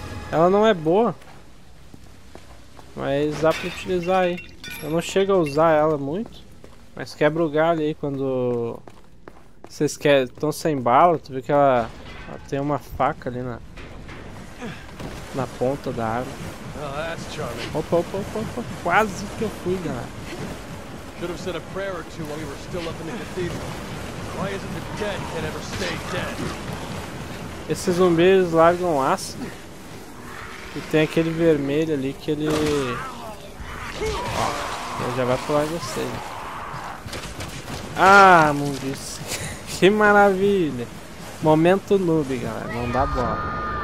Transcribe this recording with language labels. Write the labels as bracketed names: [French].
[Portuguese] Ela não é boa, mas dá pra utilizar aí. Eu não chego a usar ela muito, mas quebra o galho aí quando vocês estão sem bala. Tu vê que ela tem uma faca ali na ponta da arma. Opa, opa, opa, opa. Quase que eu fui, galera. [English] Should have said a prayer or two while we were still up in the cathedral. Why isn't the dead can ever stay dead? [Portuguese] Esses zumbis largam ácido. E tem aquele vermelho ali que ele. Ó, ele já vai pular em você. Né? Ah, mundice. Que maravilha! Momento noob, galera. Não dá bola.